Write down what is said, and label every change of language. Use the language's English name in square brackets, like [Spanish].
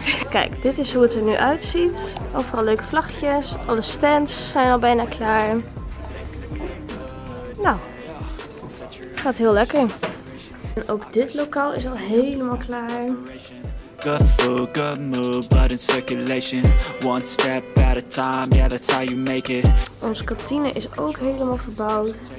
[Dutch] Kijk, dit is hoe het er nu uitziet. Overal leuke vlaggetjes. Alle stands zijn al bijna klaar. Nou, het gaat heel lekker. En ook dit lokaal is al helemaal klaar. [English] Good food, good mood, blood in circulation. One step at a time, yeah, that's how you make it. [Dutch] Onze kantine is ook helemaal verbouwd.